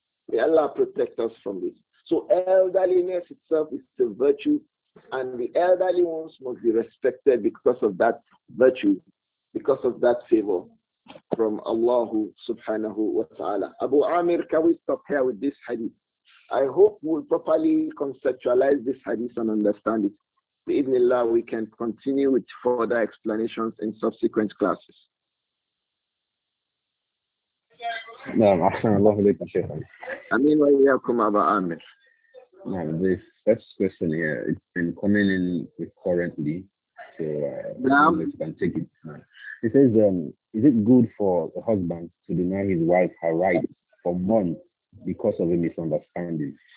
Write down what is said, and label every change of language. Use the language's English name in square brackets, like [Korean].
[English] May Allah protect us from this. So elderliness itself is a virtue, and the elderly ones must be respected because of that virtue, because of that favor from Allah subhanahu wa ta'ala. Abu Amir, can we stop here with this hadith? I hope we'll properly conceptualize this hadith and understand it. Ibn Allah, we can continue with further explanations in subsequent classes. [Arabic] نعم أحسن الله إليك شيخ علي. أمين وإياكم أبا عامر. نعم. [English] The first question here, it's been coming in recurrently, so Let's can take it. He says, is it good for a husband to deny his wife her rights for months because of a misunderstanding?